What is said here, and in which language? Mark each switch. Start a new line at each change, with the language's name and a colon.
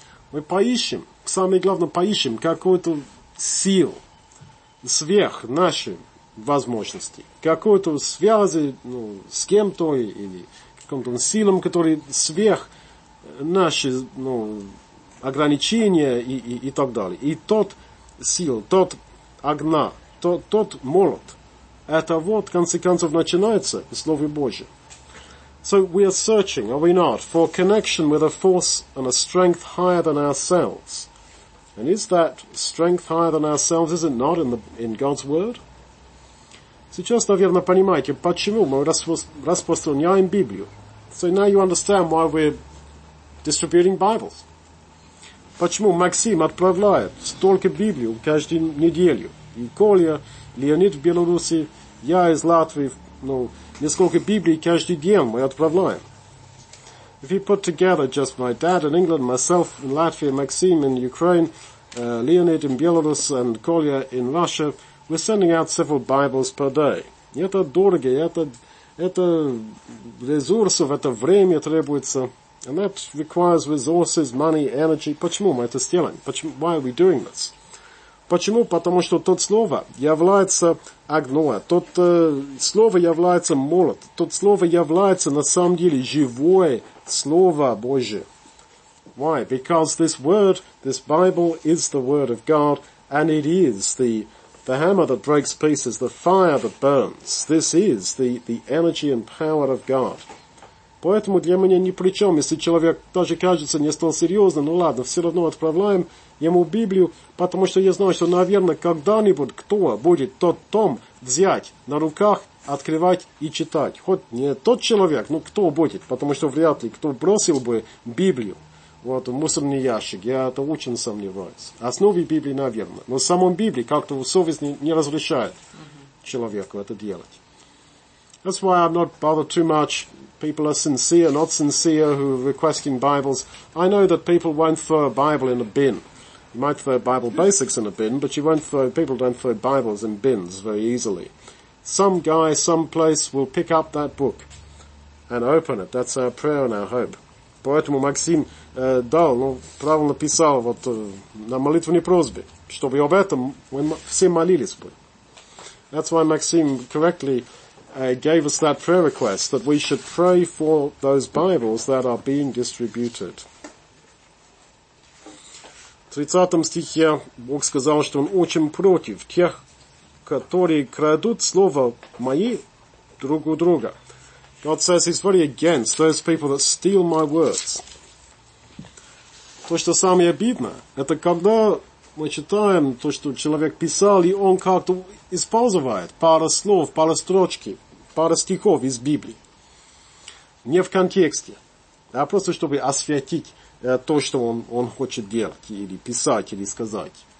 Russian: Мы поищем, самое главное, поищем какую-то силу сверх нашей возможности, какую-то связи с кем-то или каким-то силам, которые сверх наши ограничения и так далее. И тот сил, тот огня, тот молот, это вот, в конце концов, начинается в Слове Божьем.
English: So we are searching, are we not, for connection with a force and a strength higher than ourselves. And is that strength higher than ourselves, is it not, in God's word?
Russian: Сейчас, наверное, понимаете, почему мы распространяем Библию.
English: So now you understand why we're distributing Bibles.
Russian: Почему Максим отправляет столько Библию каждую неделю? И Коля, Леонид в Беларуси, я из Латвии, ну, несколько Библий каждый день мы отправляем.
English: If you put together just my dad in England, myself in Latvia, Maxim in Ukraine, Leonid in Belarus and Kolya in Russia, we're sending out several Bibles per day.
Russian: Это дорого, это ресурсов, это время требуется.
English: And that requires resources, money, energy.
Russian: Почему мы это сделаем?
English: Why are we doing this?
Russian: Почему? Потому что тот слово является огнем. Тот слово является молот. Тот слово является на самом деле живое слово Божие.
English: Why? Because this word, this Bible is the word of God, and it is the hammer that breaks pieces, the fire that burns. This is the energy and power of God.
Russian: Поэтому для меня ни при чем, если человек даже кажется не стал серьезным, ну ладно, все равно отправляем ему Библию, потому что я знаю, что, наверное, когда-нибудь кто будет тот том взять на руках, открывать и читать. Хоть не тот человек, но кто будет, потому что вряд ли кто бросил бы Библию вот, в мусорный ящик, я это очень сомневаюсь. Основе Библии, наверное, но в самом Библии как-то совесть не разрешает человеку это делать.
English: That's why I'm not bothered too much. People are sincere, not sincere, who are requesting Bibles. I know that people won't throw a Bible in a bin. You might throw Bible basics in a bin, but people don't throw Bibles in bins very easily. Some guy, some place will pick up that book and open it. That's our prayer and our hope.
Russian: Поэтому Максим дал, ну, правильно писал вот на молитвенной просьбе, чтобы об этом мы все молились бы.
English: That's why Максим correctly gave us that prayer request, that we should pray for those Bibles that are being distributed.
Russian: В 30 стихе Бог сказал, что Он очень против тех, которые крадут слово Мое друг у друга.
English: God says He's very against those people that steal My words.
Russian: То, что самое обидное, это когда мы читаем то, что человек писал, и он как-то использует пару слов, пару строчки, пара стихов из Библии. Не в контексте, а просто чтобы осветить то, что он хочет делать, или писать, или сказать.